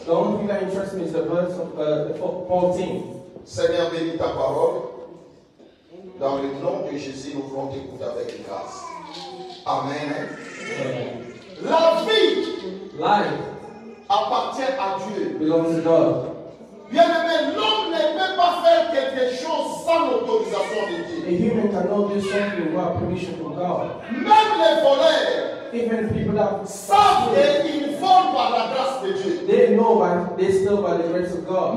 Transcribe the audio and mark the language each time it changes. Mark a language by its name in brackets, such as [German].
[English] The only thing that interests me is the verse of 14. [French] Seigneur, bénis ta parole. Dans le nom de Jésus, nous voulons t'écouter avec grâce. Amen. Amen. La vie, [English] life, [French] appartient à Dieu. [English] Belongs to God. [French] Bien aimé, l'homme ne peut pas faire quelque chose sans l'autorisation de Dieu. [English] A human cannot do something without permission from God. [French] Même les voleurs, [English] even people that [French] savent et informent par la grâce de Dieu, [English] they know but they still by the grace of God.